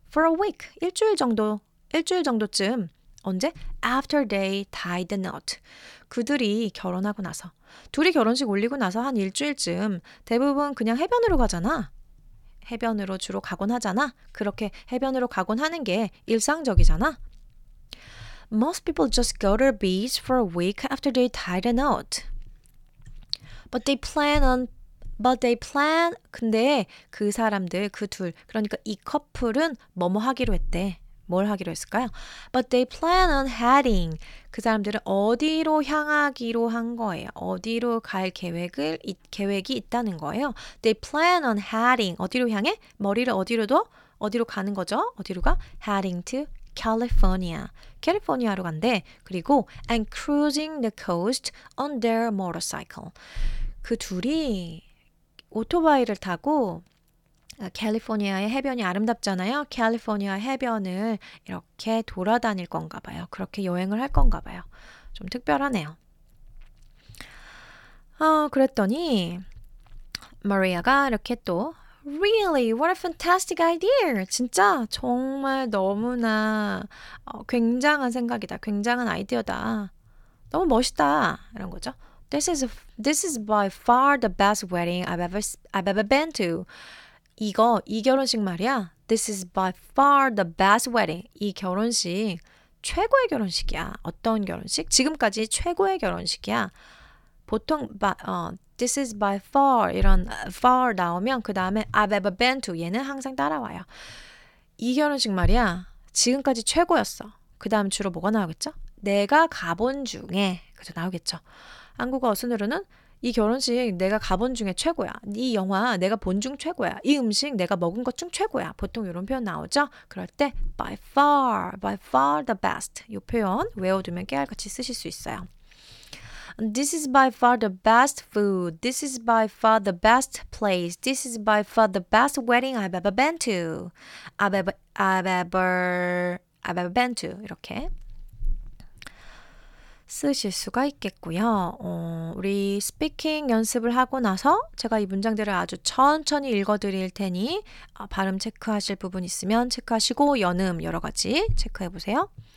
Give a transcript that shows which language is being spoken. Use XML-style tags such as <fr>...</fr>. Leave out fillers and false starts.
<en>For a week,</en> <ko>일주일 정도쯤. 언제?</ko> <en>After they tied the knot.</en> <ko>그들이 결혼하고 나서. 둘이 결혼식 올리고 나서 한 일주일쯤 대부분 그냥 해변으로 가잖아. 해변으로 주로 가곤 하잖아. 그렇게 해변으로 가곤 하는 게 일상적이잖아.</ko> <en>Most people just go to the beach for a week after they tie the knot. But they plan.</en> <ko>근데 그 사람들, 그 둘, 그러니까 이 커플은 뭐뭐 하기로 했대. 뭘 하기로 했을까요?</ko> <en>But they plan on heading.</en> <ko>그 사람들은 어디로 향하기로 한 거예요. 어디로 갈 계획이 있다는 거예요.</ko> <en>They plan on heading.</en> <ko>어디로 향해? 머리를 어디로도? 어디로 가는 거죠? 어디로 가?</ko> <en>Heading to California.</en> <ko>캘리포니아로 간대.</ko> <en>그리고 and cruising the coast on their motorcycle.</en> <ko>그 둘이 오토바이를 타고 캘리포니아의 해변이 아름답잖아요. 캘리포니아 해변을 이렇게 돌아다닐 건가 봐요. 그렇게 여행을 할 건가 봐요. 좀 특별하네요. 그랬더니 마리아가 이렇게 또 Really?</ko> <en>What a fantastic idea!</en> <ko>진짜 정말 너무나 굉장한 생각이다. 굉장한 아이디어다. 너무 멋있다. 이런 거죠.</ko> <en>This is by far the best wedding I've ever been to.</en> <ko>이거 이 결혼식 말이야.</ko> <en>This is by far the best wedding.</en> <ko>이 결혼식 최고의 결혼식이야. 어떤 결혼식? 지금까지 최고의 결혼식이야. 보통 this is by far 이런 far 나오면 그 다음에</ko> <en>I've ever been to</en> <ko>얘는 항상 따라와요. 이 결혼식 말이야. 지금까지 최고였어. 그 다음 주로 뭐가 나오겠죠? 내가 가본 중에 그죠 나오겠죠. 한국어 어순으로는 이 결혼식 내가 가본 중에 최고야. 이 영화 내가 본 중 최고야. 이 음식 내가 먹은 것 중 최고야. 보통 이런 표현 나오죠? 그럴 때</ko> <en>by far the best</en> <ko>이 표현 외워두면 깨알같이 쓰실 수 있어요.</ko> <en>This is by far the best food. This is by far the best place. This is by far the best wedding I've ever been to. I've ever been to.</en> <ko>이렇게 쓰실 수가 있겠고요. 우리 스피킹 연습을 하고 나서 제가 이 문장들을 아주 천천히 읽어드릴 테니 발음 체크하실 부분 있으면 체크하시고 연음 여러 가지 체크해보세요.</ko>